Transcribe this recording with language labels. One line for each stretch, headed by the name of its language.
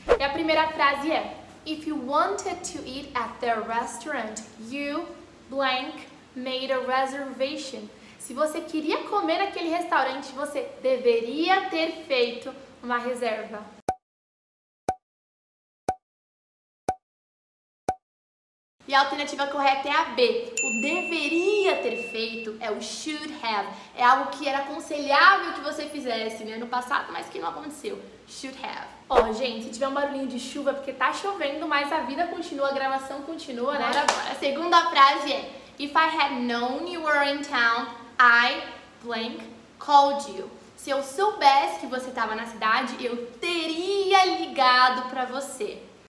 Portuguese: E a primeira frase é:
English: if you wanted to eat at their restaurant, you blank made a reservation.
Portuguese: Se você queria comer naquele restaurante, você deveria ter feito uma reserva. E a alternativa correta é a B. O deveria ter feito é o should have. É algo que era aconselhável que você fizesse, né, no passado, mas que não aconteceu.
English: Should have.
Portuguese: Ó, gente, se tiver um barulhinho de chuva, porque tá chovendo, mas a vida continua, a gravação continua, né? Bora, bora. A segunda frase é:
English: if I had known you were in town, I blank called you.
Portuguese: Se eu soubesse que você estava na cidade, eu teria ligado pra você.